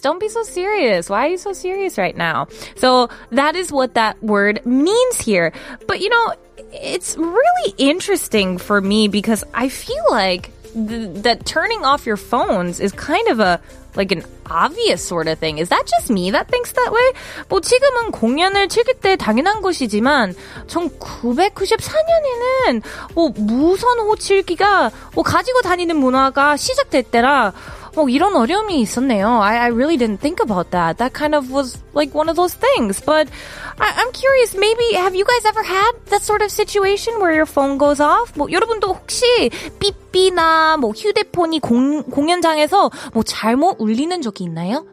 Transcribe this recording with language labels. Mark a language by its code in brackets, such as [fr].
[en] Don't be so serious. Why are you so serious right now? So that is what that word means here. But you know, it's really interesting for me because I feel like that turning off your phones is kind of a like an obvious sort of thing. Is that just me that thinks that way? [ko] 뭐 지금은 공연을 즐길 때 당연한 것이지만 1994년에는 뭐 무선 호출기가 뭐 가지고 다니는 문화가 시작될 때라 뭐 이런 어려움이 있었네요. [en] I really didn't think about that. That kind of was like one of those things. But I'm curious, maybe have you guys ever had that sort of situation where your phone goes off? [ko] 뭐 여러분도 혹시 삐삐나 뭐 휴대폰이 공연장에서 뭐 잘못 울리는 적이 있나요?